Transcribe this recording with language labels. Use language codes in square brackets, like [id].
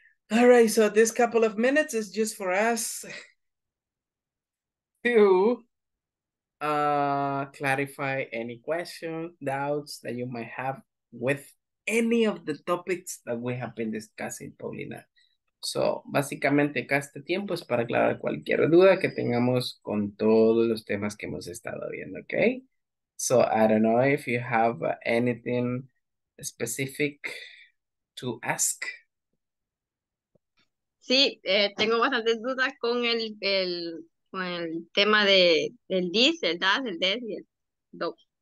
[en] All right, so this couple of minutes is just for us to clarify any questions, doubts that you might have with any of the topics that we have been discussing, Paulina. [es] So, básicamente, acá este tiempo es para aclarar cualquier duda que tengamos con todos los temas que hemos estado viendo, okay? [en] So, I don't know if you have anything specific to ask. [es] Sí, tengo bastantes dudas con el tema de el this, el that, el this y el do.